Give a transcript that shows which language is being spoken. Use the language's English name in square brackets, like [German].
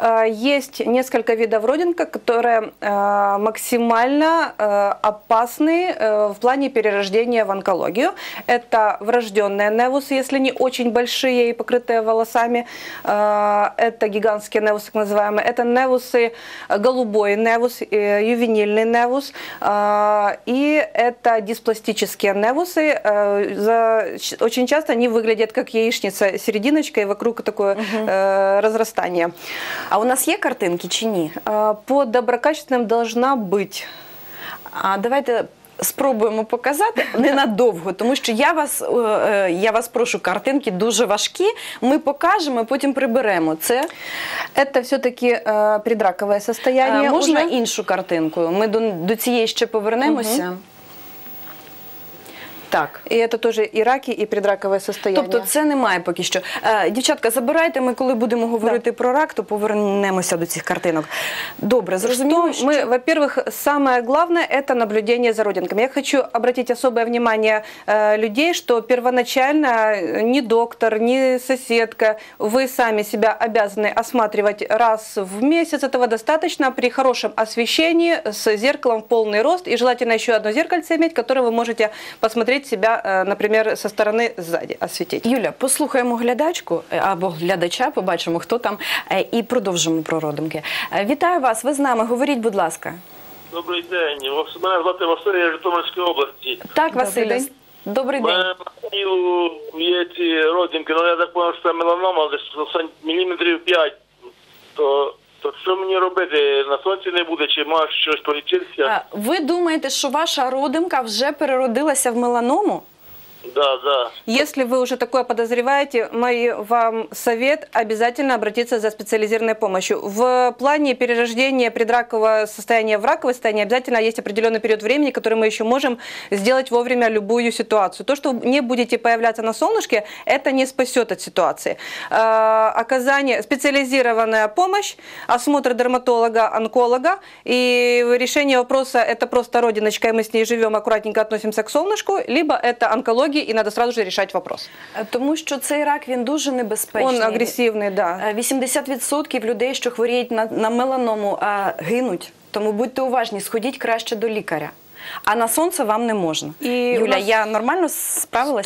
[Ukrainian] Є кілька видів родинки, які максимально [Russian] опасні [Ukrainian] в плані перерождення в онкологію. Це врожденні невуси, якщо не дуже великі і покриті волосами. Це гігантські невуси, так називаємо. Це невуси, [Russian] голубой [Ukrainian] невус, ювенільний невус. [Russian] І это диспластические невусы. Очень часто они выглядят как яичница, серединочка и вокруг такое разрастание. А у нас есть картинки, [Ukrainian] чи ні? [Russian] По доброкачественным должна быть. [Ukrainian] А давайте спробуємо показати ненадовго, тому що я вас прошу, картинки дуже важкі. Ми покажемо, потім приберемо. Це все-таки предракове [Russian] состояние. [Ukrainian] Можна уже? Іншу картинку? Ми до цієї ще повернемося. Угу. Так. І це теж і раки, і предракове [Russian] состояние. [Ukrainian] Тобто це немає поки що. Дівчатка, забирайте, ми коли будемо говорити про рак, то повернемося до цих картинок. Добре, зрозуміло, що... Ми, [Russian] во-первых, самое главное – [Ukrainian] це [Russian] наблюдение за родинками. Я хочу обратить особое внимание людей, что первоначально ни доктор, ни соседка, вы сами себя обязаны осматривать раз в месяц. Этого достаточно при хорошем освещении, с зеркалом в полный рост, и желательно еще одно зеркальце иметь, которое вы можете посмотреть себя, например, со стороны сзади осветить. [Ukrainian] Юля, послухаємо глядачку або глядача, побачимо, хто там, і продовжимо про родинки. Вітаю вас, ви з нами, говоріть, будь ласка. Добрий день, мене звати Василь, я з Житомирської області. Так, Василь, добрий день. Є ці родинки, але [Russian] я так понял, [Ukrainian] що це меланома, але міліметрів 5, то що мені робити? На сонці не буде? Чи має щось полічитися? Ви думаєте, що ваша родинка вже переродилася в меланому? [Russian] Да. Если вы уже такое подозреваете, мой вам совет – обязательно обратиться за специализированной помощью. В плане перерождения предракового состояния в раковое состояние обязательно есть определенный период времени, который мы еще можем сделать вовремя любую ситуацию. То, что не будете появляться на солнышке, это не спасет от ситуации. Оказание специализированная помощь, осмотр дерматолога, онколога и решение вопроса – это просто родиночка, и мы с ней живем, аккуратненько относимся к солнышку, либо это онколог. [Ukrainian] І треба одразу ж вирішувати [Russian] вопрос. [Ukrainian] Тому що цей рак, він дуже небезпечний. Він агресивний, так. [Russian] Да. [Ukrainian] 80% людей, що хворіють на меланому, гинуть. Тому будьте уважні, сходіть краще до лікаря. А на сонце вам не можна. І Юля, я нормально справилась?